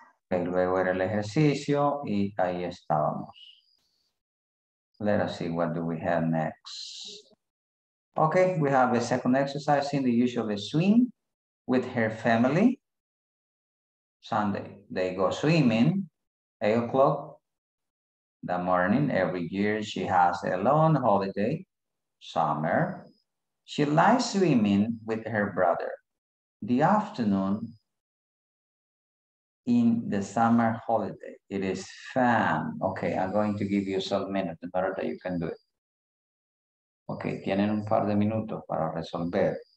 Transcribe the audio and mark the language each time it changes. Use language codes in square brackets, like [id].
[es] Okay, luego era el ejercicio y ahí estábamos. [en] Let us see, what do we have next? Okay, we have a second exercise. Cindy usually swim with her family Sunday. They go swimming 8 o'clock the morning. Every year she has a long holiday, summer. She likes swimming with her brother. The afternoon in the summer holiday. It is fun. Okay, I'm going to give you some minutes in order that you can do it. [es] Ok, tienen un par de minutos para resolver.